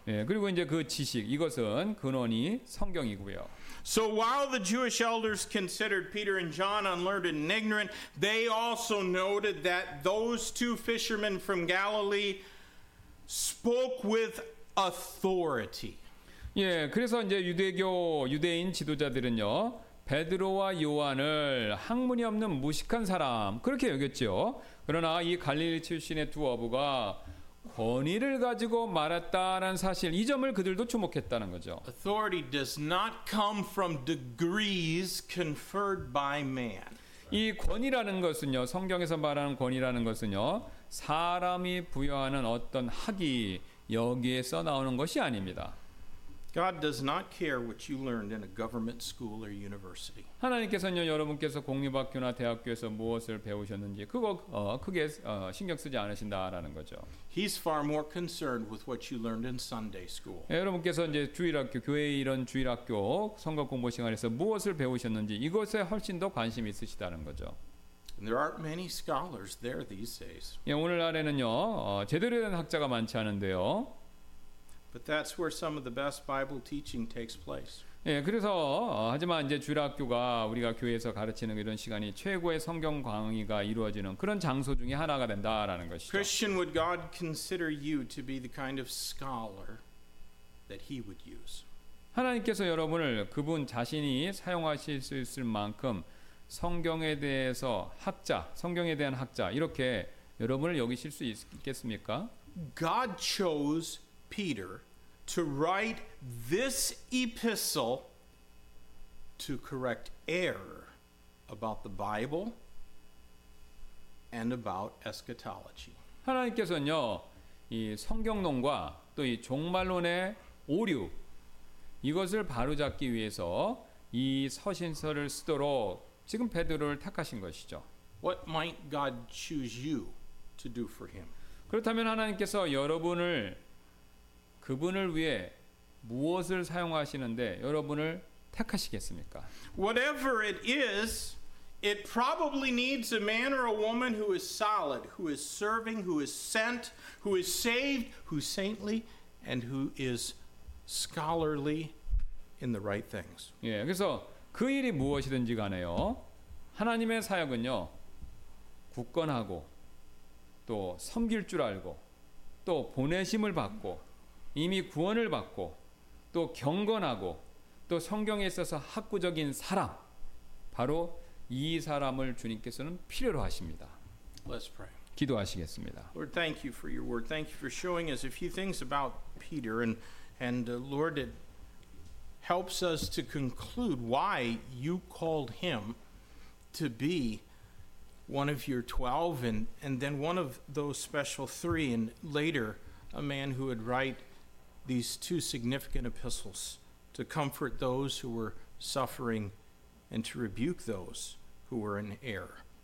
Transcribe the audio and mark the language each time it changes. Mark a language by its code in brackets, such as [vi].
[ko] 예, 그리고 이제 그 지식 이것은 근원이 성경이고요. [en] So while the Jewish elders considered Peter and John unlearned and ignorant, they also noted that those two fishermen from Galilee spoke with authority. [ko] 예, 그래서 이제 유대인 지도자들은요. 베드로와 요한을 학문이 없는 무식한 사람 그렇게 여겼죠. 그러나 이 갈릴리 출신의 두 어부가 권위를 가지고 말했다라는 사실 이 점을 그들도 주목했다는 거죠. [en] Authority does not come from degrees conferred by man. [ko] 이 권위라는 것은요 성경에서 말하는 권위라는 것은요 사람이 부여하는 어떤 학위 여기에서 나오는 것이 아닙니다. [en] God does not care what you learned in a government school or university. [ko] 하나님께서는요, 여러분께서 공립학교나 대학교에서 무엇을 배우셨는지 그거 크게 신경 쓰지 않으신다라는 거죠. [en] He's far more concerned with what you learned in Sunday school. [ko] 여러분께서 이제 주일학교, 교회 이런 주일학교 성과 공부 시간에서 무엇을 배우셨는지 이것에 훨씬 더 관심이 있으시다는 거죠. [en] And there aren't many scholars there these days. [ko] 예, 오늘날에는요, 제대로 된 학자가 많지 않은데요. [en] But that's where some of the best Bible teaching takes place. [ko] 예, 그래서 하지만 이제 주일학교가 우리가 교회에서 가르치는 이런 시간이 최고의 성경 강의가 이루어지는 그런 장소 중에 하나가 된다라는 것이죠. [en] Christian, would God consider you to be the kind of scholar that He would use? [ko] 하나님께서 여러분을 그분 자신이 사용하실 수 있을 만큼 성경에 대해서 학자, 성경에 대한 학자 이렇게 여러분을 여기실 수 있겠습니까? [en] God chose Peter to write this epistle to correct error about the Bible and about eschatology. [ko] 하나님께서는요, 이 성경론과 또 이 종말론의 오류 이것을 바로잡기 위해서 이 서신서를 쓰도록 지금 베드로를 택하신 것이죠. [en] What might God choose you to do for him? [ko] 그렇다면 하나님께서 여러분을 그분을 위해 무엇을 사용하시는데 여러분을 택하시겠습니까? [en] Whatever it is, it probably needs a man or a woman who is solid, who is serving, who is sent, who is saved, who is saintly, and who is scholarly in the right things. [ko] 예, 그래서 그 일이 무엇이든지 간에요. 하나님의 사역은요. 굳건하고 또 섬길 줄 알고 또 보내심을 받고 이미 구원을 받고 또 경건하고 또 성경에 있어서 학구적인 사람 바로 이 사람을 주님께서는 필요로 하십니다. [en] Let's pray. [ko] 기도하시겠습니다. [en] Lord, thank you for your word. Thank you for showing us a few things about Peter and Lord, it helps us to conclude why you called him to be one of your 12 and then one of those special three and later a man who would write these two significant epistles to comfort those who were suffering and to rebuke those who were in error.